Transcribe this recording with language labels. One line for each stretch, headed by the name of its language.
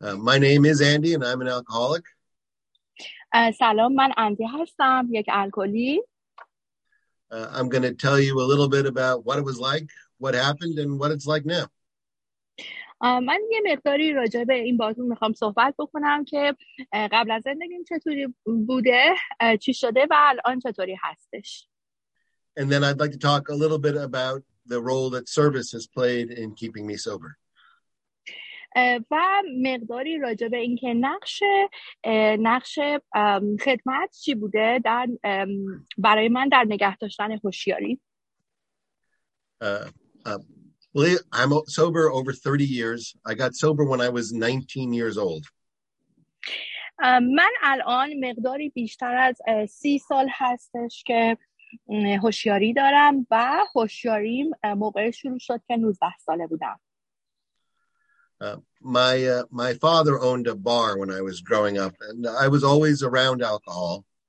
English: My name is Andy and I'm an alcoholic.
Persian: سلام، من اندی هستم، یک الکلی.
English: I'm going to tell you a little bit about what it was like, what happened and what it's like now.
Persian: من یه مقداری راجع به این باتون میخوام صحبت بکنم که قبل از زندگیم چطوری بوده، چی شده و الان چطوری هستش.
English: And then I'd like to talk a little bit about the role that service has played in keeping me sober.
Persian: و مقداری راجع به این که نقش خدمت چی بوده در برای من در نگه داشتن هوشیاری.
English: Well, I'm sober over 30 years. I got sober when I was 19 years old.
Persian: من الان مقداری بیشتر از 30 سال هستش که هوشیاری دارم و هوشیاریم موقع شروع شد که 19 ساله بودم.
English: My father owned a bar when I was growing up and I was always around alcohol.